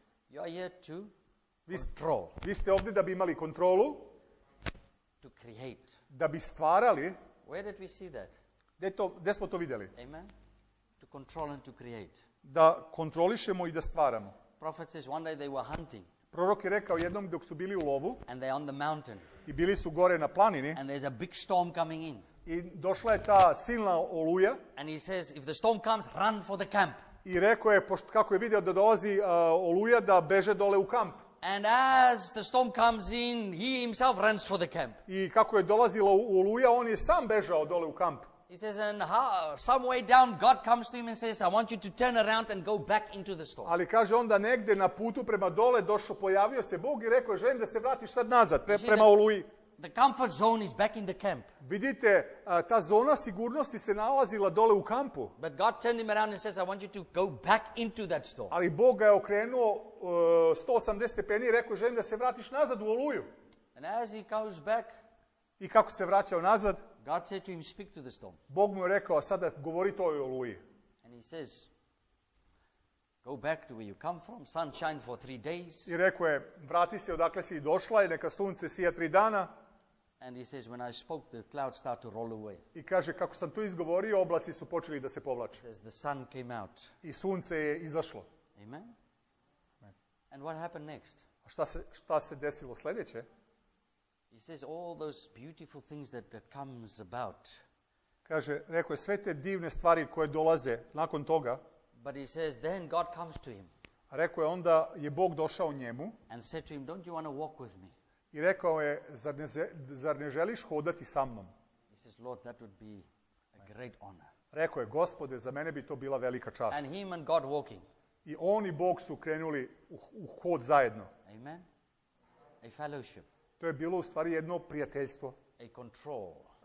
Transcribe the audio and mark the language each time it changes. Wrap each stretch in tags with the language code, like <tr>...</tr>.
<en>You are here to control.</en> <sr>Vi ste ovdje da bi imali kontrolu.</sr> <en>To create.</en> <sr>Da bi stvarali.</sr> <en>Where did we see that?</en> <sr>Gdje smo to vidjeli?</sr> <en>Amen. To control and to create.</en> <sr>Da kontrolišemo i da stvaramo.</sr> <en>Prophet says one day they were hunting.</en> <sr>Prorok je rekao jednom dok su bili u lovu.</sr> <en>And they're on the mountain.</en> <sr>I bili su gore na planini.</sr> <en>And there's a big storm coming in.</en> <sr>I došla je ta silna oluja.</sr> <en>And he says, if the storm comes, run for the camp.</en> <sr>I rekao je, kako je vidio da dolazi oluja, da beže dole u kamp.</sr> <en>And as the storm comes in, he himself runs for the camp.</en> <sr>I kako je dolazila oluja, on je sam bežao dole u kamp.</sr> <en>He says, and some way down, God comes to him and says, I want you to turn around and go back into the storm.</en> <sr>Ali kaže onda negdje na putu prema dole došao, pojavio se Bog i rekao, želim da se vratiš sad nazad, prema oluji.</sr> <en>The comfort zone is back in the camp.</en> <sr>Vidite, ta zona sigurnosti se nalazila dole u kampu.</sr> <en>But God turned him around and says, I want you to go back into that storm.</en> <sr>Ali Bog ga je okrenuo 180 stepeni i rekao, želim da se vratiš nazad u oluju.</sr> <en>And as he comes back,</en> <sr>i kako se vraćao nazad,</sr> <en>God said to him, speak to the storm.</en> <sr>Bog mu je rekao, sada govori toj oluji.</sr> <en>And he says, go back to where you come from, sunshine for 3 days.</en> <sr>I rekao je, vrati se odakle si došla i neka sunce sija 3 dana.</sr> <en>And he says, when I spoke, the clouds start to roll away.</en> <sr>I kaže, kako sam to izgovorio, oblaci su počeli da se povlače.</sr> <en>Says, the sun came out.</en> <sr>I sunce je izašlo.</sr> <en>Amen. And what happened next?</en> <sr>A šta se desilo sljedeće?</sr> <en>He says, all those beautiful things that comes about.</en> <sr>Kaže, rekao je, sve te divne stvari koje dolaze nakon toga.</sr> <en>But he says, then God comes to him.</en> <sr>Rekao je, onda je Bog došao njemu.</sr> <en>And said to him, don't you want to walk with me?</en> <sr>I rekao je, zar ne želiš hodati sa mnom?</sr> <en>He says, Lord, that would be a great honor.</en> <sr>Rekao je, Gospode, za mene bi to bila velika čast.</sr> <en>And him and God walking.</en> <sr>I on i Bog su krenuli u hod zajedno.</sr> <en>Amen. A fellowship.</en> <sr>To je bilo u stvari jedno prijateljstvo.</sr> <en>A control.</en>